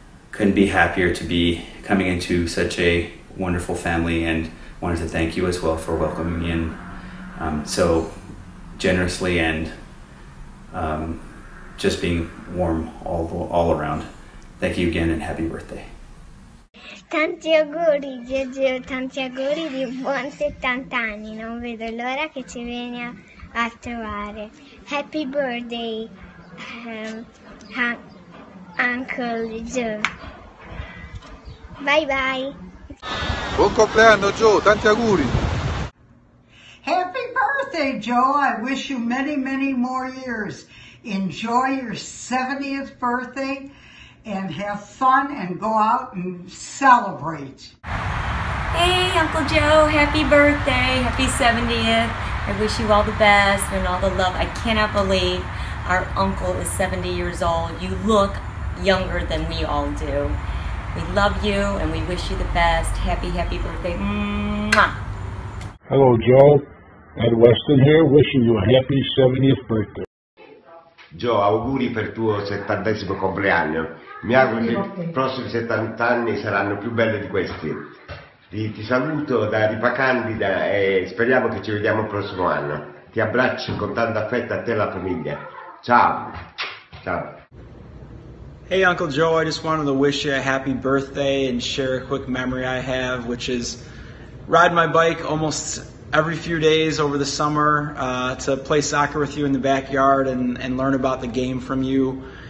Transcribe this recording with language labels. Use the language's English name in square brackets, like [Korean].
[English] Couldn't be happier to be coming into such a wonderful family, and wanted to thank you as well for welcoming me in so generously and just being warm all around. Thank you again and happy birthday. [Italian] Tanti auguri, Giorgio, tanti auguri di buon 70 anni. Non vedo l'ora che ci vieni a trovare. [English] Happy birthday, Uncle Joe. Bye bye. [Italian] Buon compleanno, Joe. Tanti auguri. [English] Happy birthday, Joe. I wish you many, many more years. enjoy your 70th birthday and have fun and go out and celebrate. Hey, Uncle Joe, happy birthday, happy 70th. I wish you all the best and all the love. I cannot believe our uncle is 70 years old. You look younger than we all do. We love you and we wish you the best. Happy, happy birthday. Mwah. Hello, Joe. Ed Weston here, wishing you a happy 70th birthday. [Italian] Joe, auguri per tuo 70esimo compleanno. Mi auguro che i prossimi 70 anni saranno più belli di questi. Ti saluto da Ripa Candida e speriamo che ci vediamo il prossimo anno. Ti abbraccio con tanto affetto a te e alla famiglia. Ciao. Ciao. [English] Hey Uncle Joe, I just wanted to wish you a happy birthday and share a quick memory I have, which is ride my bike almost every few days over the summer to play soccer with you in the backyard and learn about the game from you.